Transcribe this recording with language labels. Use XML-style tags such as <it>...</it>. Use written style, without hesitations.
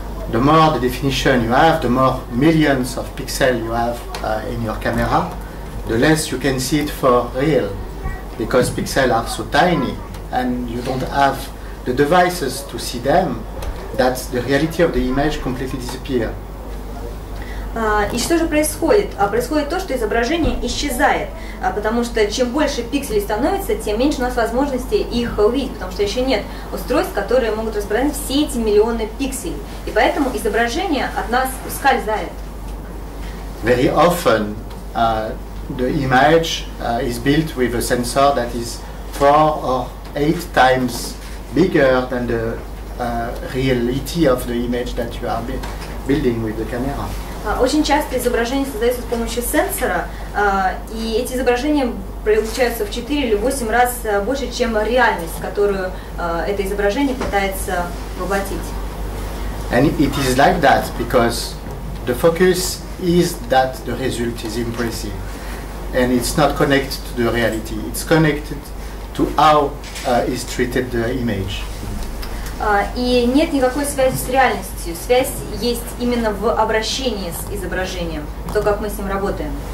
<en>The more the definition you have, the more millions of pixels you have in your camera, the less you can see it for real, because pixels are so tiny and you don't have the devices to see them, that the reality of the image completely disappears.</en> <ru>И что же происходит? Происходит то, что изображение исчезает, потому что чем больше пикселей становится, тем меньше у нас возможности их увидеть, потому что еще нет устройств, которые могут распознать все эти миллионы пикселей. И поэтому изображение от нас ускользает.</ru> <en>Very often the image is built with a sensor that is 4 or 8 times bigger than the reality of the image that you are building with the camera.</en> <ru>Очень часто изображения создаются с помощью сенсора, и эти изображения получаются в 4 или 8 раз больше, чем реальность, которую это изображение пытается воплотить.</ru> <en>And it is like that because the focus is that the result is impressive. And it's not connected to the reality, it's connected to how is treated the image.</en> <ru>И нет никакой связи с реальностью. Связь есть именно в обращении с изображением, то, как мы с ним работаем.</ru>